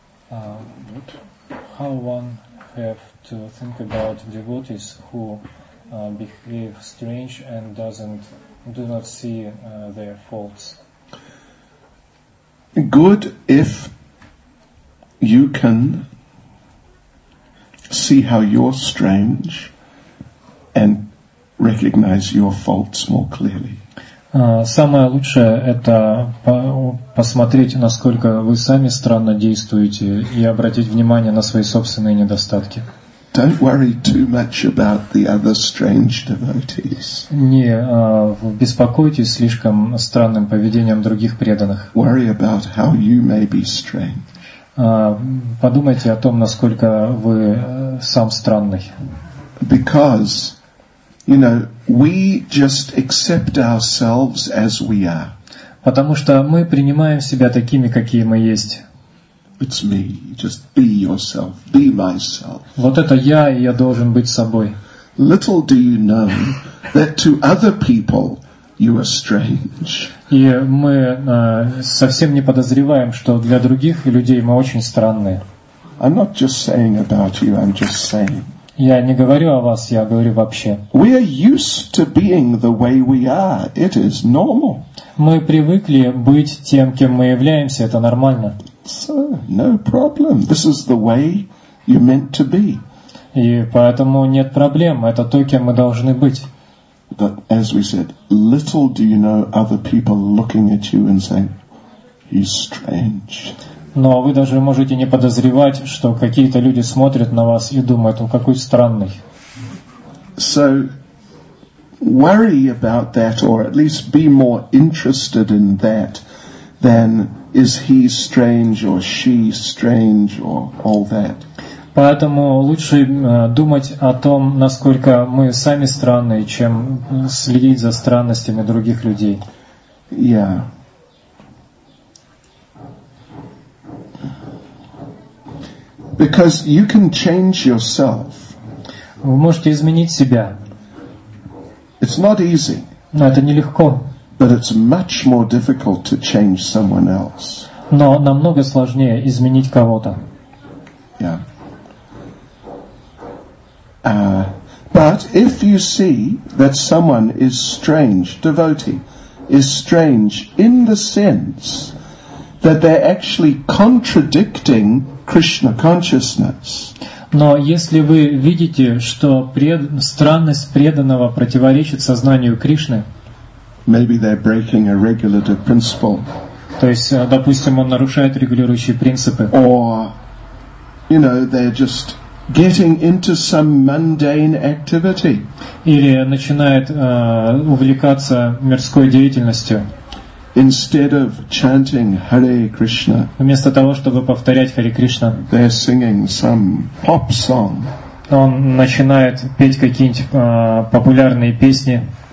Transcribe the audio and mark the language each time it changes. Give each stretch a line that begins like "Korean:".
English: How one have to think about devotees who behave strange and do not see their faults. Good if you can see how you're strange and recognize your faults more clearly.
Russian: Самое лучшее это посмотреть, насколько вы сами странно действуете и обратить внимание на свои собственные недостатки.
English: Don't worry too much about the other strange devotees.
Russian: Не беспокойтесь слишком странным поведением других преданных.
English: Worry about how you may be strange.
Russian: Подумайте о том, насколько вы сам странный.
English: Because, you know, we just accept ourselves as we are.
Russian: Потому что мы принимаем себя такими, какие мы есть.
English: It's me. Just be yourself. Be myself.
Russian: Вот это я, и я должен быть собой.
English: Little do you know that to other people you are strange.
Russian: И мы совсем не подозреваем, что для других людей мы очень странные.
English: I'm not just saying about you. I'm just saying.
Russian: Я не говорю о вас, я говорю вообще.
English: We are used to being the way we are. It is normal.
Russian: Мы привыкли быть тем, кем мы являемся. Это нормально.
English: So, no problem. This is the way you're meant to be.
Russian: И поэтому нет проблем. Это то, кем мы должны быть.
English: But as we said, little do you know other people looking at you and saying, he's strange.
Russian: Но вы даже можете не подозревать, что какие-то люди смотрят на вас и думают, он какой странный.
English: So, worry about that, or at least be more interested in that than is he strange or she strange or all that.
Russian: Поэтому лучше думать о том, насколько мы сами странные, чем следить за странностями других людей.
English: Yeah. B- Because you can change yourself.
Russian: Вы можете изменить себя.
English: It's not easy.
Russian: Но это нелегко.
English: But it's much more difficult to change someone else.
Russian: Но намного сложнее изменить кого-то.
English: Yeah. But if you see that someone is strange, devotee is strange in the sense that they're actually contradicting Krishna consciousness.
Russian: Но если вы видите, что странность преданного противоречит сознанию Кришны,
English: maybe they're breaking a regulative principle.
Russian: То есть, допустим, он нарушает регулирующие принципы.
English: Or, you know, they're just getting into some mundane activity.
Russian: Или начинает увлекаться мирской деятельностью.
English: Instead of chanting Hare Krishna,
Russian: вместо того, чтобы повторять Hare Krishna,
English: they're singing some pop song.
Russian: Он начинает петь какие-нибудь популярные песни.